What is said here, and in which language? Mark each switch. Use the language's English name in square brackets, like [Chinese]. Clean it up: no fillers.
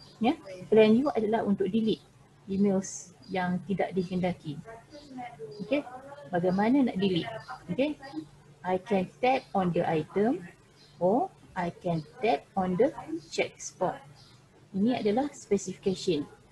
[Malay] Ya, plan you adalah untuk delete emails yang tidak dikendaki. Okay, bagaimana nak delete? [English] Okay, I can tap on the item or I can tap on the check spot. [Malay] Ini adalah specification.